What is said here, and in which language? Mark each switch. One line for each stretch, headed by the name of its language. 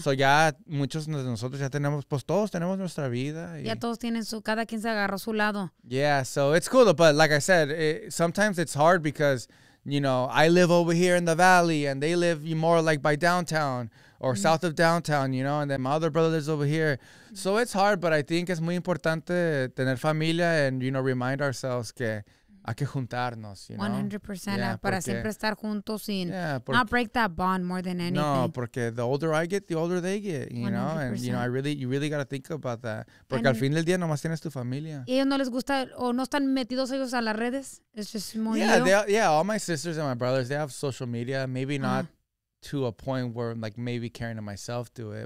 Spanish: So ya muchos de nosotros ya tenemos, pues todos tenemos nuestra vida. Y ya todos tienen su, cada quien se agarró su lado.
English: Yeah, so it's cool. But like I said, sometimes it's hard because, you know, I live over here in the valley and they live more like by downtown or south of downtown, you know, and then my other brother lives over here. So it's hard, but I think it's
Spanish: muy importante tener familia
English: and, you know, remind ourselves
Spanish: que hay que juntarnos,
English: you know? 100%. Yeah, para porque,
Spanish: siempre estar juntos
English: y yeah, porque, not break that bond more than anything. No, porque the older I get, the older they get, you 100%. Know? And, you know, you really got to think about that.
Spanish: Porque al fin del día nomás tienes tu familia. ¿Y ellos no les gusta o no están metidos ellos a las redes?
English: It's just more yeah, they, yeah, all my sisters and my brothers, they have social media. Maybe not to a point where, like, maybe Karen and myself do it.